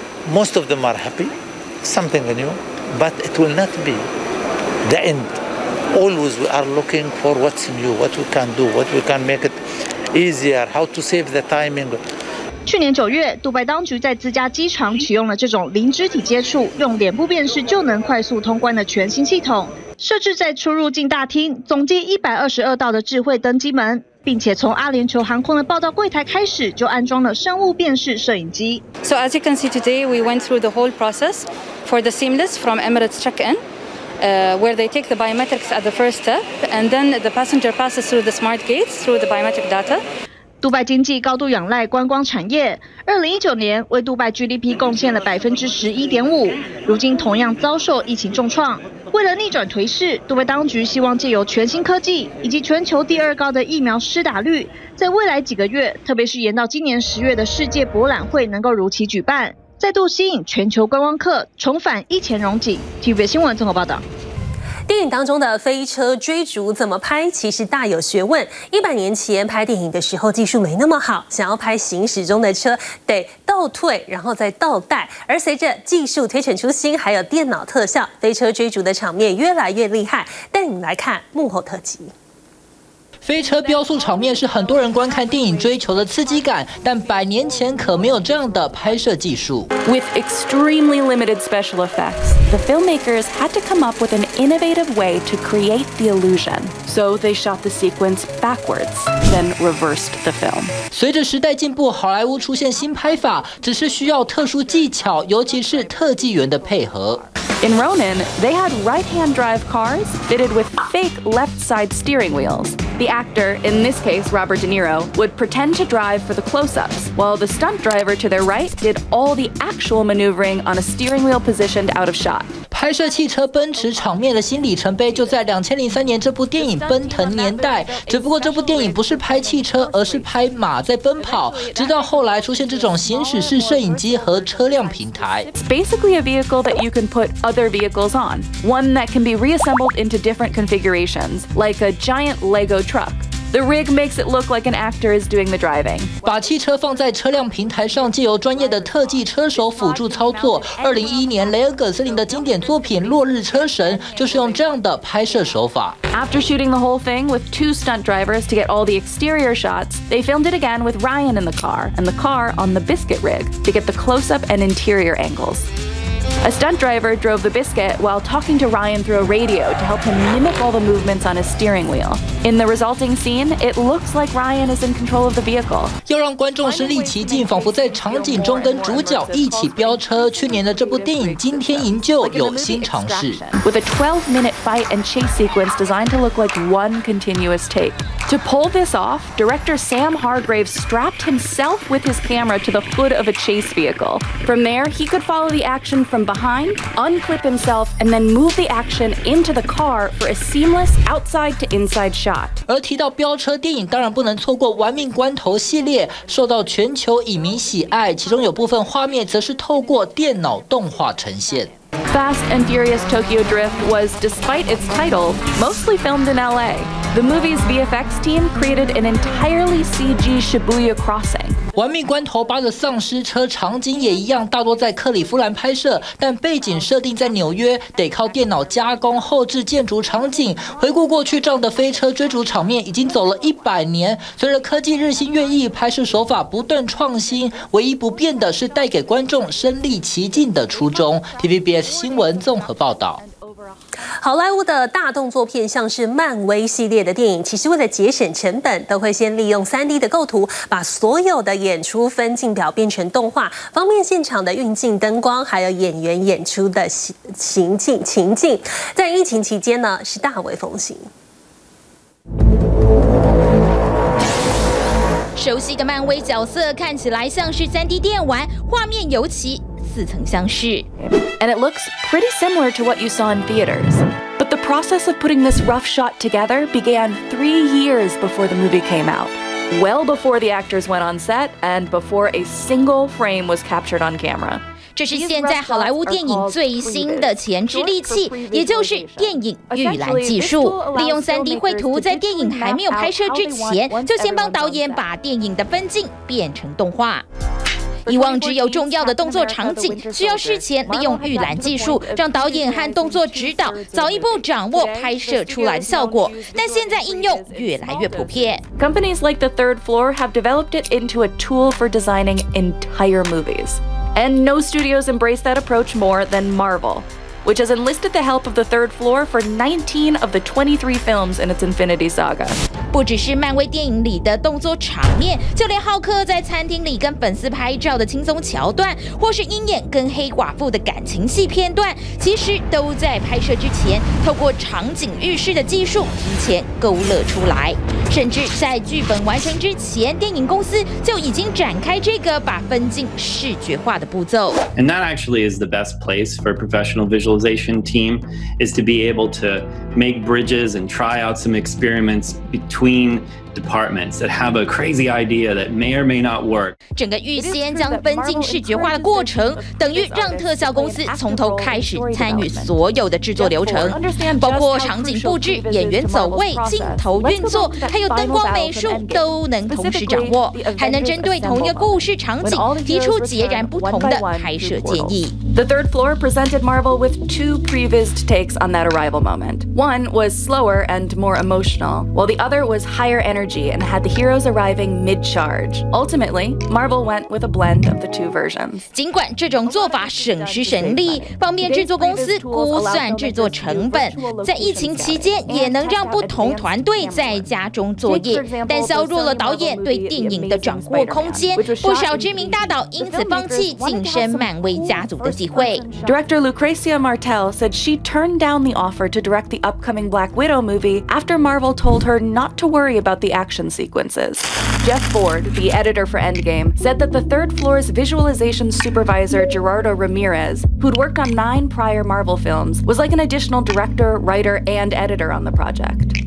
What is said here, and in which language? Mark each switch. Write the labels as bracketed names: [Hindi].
[English] Most of them are happy, something new, but it will not be the end. Always we are looking for what's new, what we can do, what we can make it easier, how to save the timing. [Chinese] 去年九月，杜拜当局在自家机场启用了这种零肢体接触、用脸部辨识就能快速通关的全新系统，设置在出入境大厅，总计122道的智慧登机门。并且从阿联酋航空的报到柜台开始，就安装了生物辨识摄影机。 [English] So as you can see today, we went through the whole process for the seamless from Emirates check-in, where they take the biometrics at the first step, and then the passenger passes through the smart gates through the biometric data. [Chinese] 杜拜经济高度仰赖观光产业，2019年为杜拜 GDP 贡献了11.5%，如今同样遭受疫情重创。为了逆转颓势，杜拜当局希望借由全新科技以及全球第二高的疫苗施打率，在未来几个月，特别是延到今年10月的世界博览会能够如期举办，再度吸引全球观光客，重返疫情荣景。 TVBS 新闻综合报道。电影当中的飞车追逐怎么拍，其实大有学问。 100年前拍电影的时候技术没那么好，想要拍行驶中的车得倒退然后再倒带，而随着技术推陈出新还有电脑特效，飞车追逐的场面越来越厉害。带你们来看幕后特辑。飞车飙速场面是很多人观看电影追求的刺激感，但百年前可没有这样的拍摄技术。 [English] With extremely limited special effects, the filmmakers had to come up with an innovative way to create the illusion. So they shot the sequence backwards, then reversed the film. [Chinese] 随着时代进步，好莱坞出现新拍法，只是需要特殊技巧，尤其是特技员的配合。 [English] In Ronin, they had right-hand drive cars fitted with fake left-side steering wheels. The actor, in this case Robert De Niro, would pretend to drive for the close-ups, while the stunt driver to their right did all the actual maneuvering on a steering wheel positioned out of shot. [Chinese] 拍摄汽车奔驰场面的新里程碑就在2003年这部电影《奔腾年代》，只不过这部电影不是拍汽车，而是拍马在奔跑。直到后来出现这种行驶式摄影机和车辆平台。 [English] It's basically a vehicle that you can put other vehicles on, one that can be reassembled into different configurations, like a giant Lego truck. The rig makes it look like an actor is doing the driving. [Chinese] 把汽车放在车辆平台上，借由专业的特技车手辅助操作。 2011年，雷恩·葛斯林的经典作品《落日车神》就是用这样的拍摄手法。 [English] After shooting the whole thing with two stunt drivers to get all the exterior shots, they filmed it again with Ryan in the car and the car on the biscuit rig to get the close-up and interior angles. A stunt driver drove the biscuit while talking to Ryan through a radio to help him mimic all the movements on his steering wheel. In the resulting scene, it looks like Ryan is in control of the vehicle. [Chinese] 要让观众身临其境，仿佛在场景中跟主角一起飙车。去年的这部电影《惊天营救》有新尝试。 [English] With a 12-minute fight and chase sequence designed to look like one continuous take, to pull this off, director Sam Hargrave strapped himself with his camera to the hood of a chase vehicle. From there, he could follow the action from behind, unclip himself, and then move the action into the car for a seamless outside-to-inside shot. [Chinese] 而提到飙车电影，当然不能错过《玩命关头》系列，受到全球影迷喜爱。其中有部分画面则是透过电脑动画呈现。 [English] Fast and Furious Tokyo Drift was, despite its title, mostly filmed in LA. The movie's VFX team created an entirely CG Shibuya crossing. [Chinese] 玩命关头八的丧尸车场景也一样，大多在克利夫兰拍摄，但背景设定在纽约，得靠电脑加工后置建筑场景。回顾过去这样的飞车追逐场面已经走了100年，随着科技日新月异，拍摄手法不断创新，唯一不变的是带给观众身临其境的初衷。 TVBS 新闻综合报道。好莱坞的大动作片，像是漫威系列的电影，其实为了节省成本，都会先利用 3D 的构图，把所有的演出分镜表变成动画，方便现场的运镜灯光，还有演员演出的情境。在疫情期间呢，是大为风行。熟悉的漫威角色看起来像是 3D 电玩，画面尤其似曾相识。 [English] And it looks pretty similar to what you saw in theaters. But the process of putting this rough shot together began 3 years before the movie came out, well before the actors went on set and before a single frame was captured on camera. [Chinese] 这是现在好莱坞电影最新的前置利器，也就是电影预览技术。利用 3D 绘图，在电影还没有拍摄之前，就先帮导演把电影的分镜变成动画。以往只有重要的动作场景需要事前利用预览技术，让导演和动作指导早一步掌握拍摄出来的效果，但现在应用越来越普遍。 [English] Companies like The Third Floor have developed it into a tool for designing entire movies, and no studios embrace that approach more than Marvel, which has enlisted the help of The Third Floor for 19 of the 23 films in its Infinity Saga. [Chinese] 不只是漫威电影里的动作场面，就连浩克在餐厅里跟粉丝拍照的轻松桥段，或是鹰眼跟黑寡妇的感情戏片段，其实都在拍摄之前透过场景预示的技术提前勾勒出来。甚至在剧本完成之前，电影公司就已经展开这个把分镜视觉化的步骤。 [English] And that actually is the best place for a professional visualization team is to be able to make bridges and try out some experiments between departments that have a crazy idea that may or may not work. [Chinese] 整个预先将分镜视觉化的过程，等于让特效公司从头开始参与所有的制作流程，包括场景布置、演员走位、镜头运作，还有灯光美术都能同时掌握，还能针对同一个故事场景提出截然不同的拍摄建议。 [English] The Third Floor presented Marvel with two previs takes on that arrival moment. One was slower and more emotional, while the other was higher energy and had the heroes arriving mid-charge. Ultimately, Marvel went with a blend of the two versions. [Chinese] 尽管这种做法省时省力，方便制作公司估算制作成本，在疫情期间也能让不同团队在家中作业，但削弱了导演对电影的掌握空间。不少知名大导因此放弃晋升漫威家族的机会。 [English] Director Lucrecia Martel said she turned down the offer to direct the upcoming Black Widow movie after Marvel told her not to worry about the action sequences. Jeff Ford, the editor for Endgame, said that the Third Floor's visualization supervisor, Gerardo Ramirez, who'd worked on 9 prior Marvel films, was like an additional director, writer, and editor on the project.